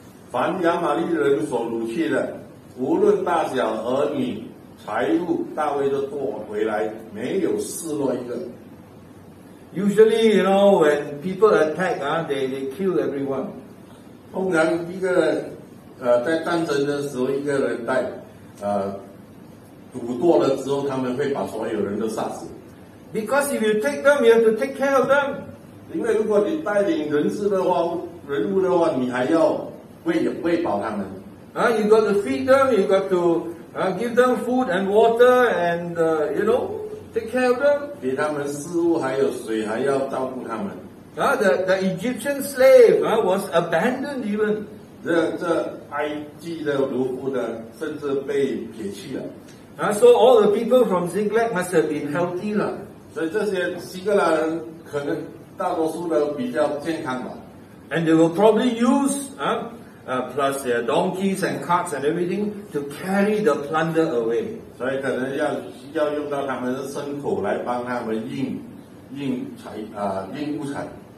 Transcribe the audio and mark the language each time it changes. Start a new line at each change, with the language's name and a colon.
Chinese: 凡亚玛力人所掳去的，无论大小儿女、财物，大卫都夺回来，没有失落一个。
English: Usually, you know, when people attack, they kill everyone.
Chinese: 通常一个在战争的时候，一个人带。掳夺了之后，他们会把所有人都杀死。
English: Because if you take them, you have to take care of them.
Chinese: 因为如果你带领人质的话，人物的话，你还要喂饱他们。
English: You got to feed them. You got to give them food and water and take care of them.
Chinese: 给他们食物还有水，还要照顾他们。
English: The Egyptian slave was abandoned even.
Chinese: 这埃及的奴仆呢，甚至被撇弃了。
English: So all the people from Ziklag must have been healthy 了。
Chinese: 所以这些希格拉人可能大多数的比较健康吧。
English: And they will probably use plus their donkeys and carts and everything to carry the plunder away.
Chinese: 所以可能要用到他们的牲口来帮他们运物产。